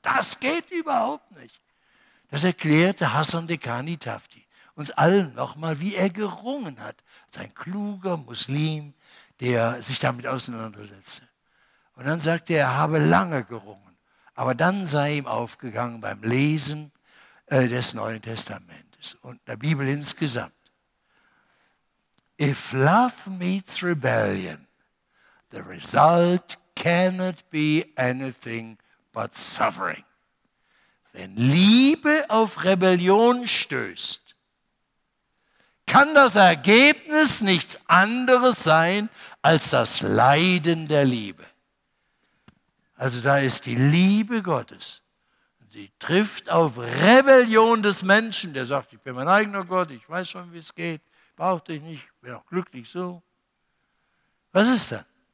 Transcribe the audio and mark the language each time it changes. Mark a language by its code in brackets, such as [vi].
[de] Das geht überhaupt nicht. Das erklärte Hassan Dekani Tafti uns allen nochmal, wie er gerungen hat, sein kluger Muslim, der sich damit auseinandersetzte. Und dann sagte er, er habe lange gerungen. Aber dann sei ihm aufgegangen beim Lesen des Neuen Testamentes und der Bibel insgesamt. [en] If love meets rebellion, the result cannot be anything but suffering. [de] Wenn Liebe auf Rebellion stößt, kann das Ergebnis nichts anderes sein als das Leiden der Liebe. Also da ist die Liebe Gottes. Sie trifft auf Rebellion des Menschen, der sagt, ich bin mein eigener Gott, ich weiß schon, wie es geht, brauch dich nicht, bin auch glücklich so. Was ist da?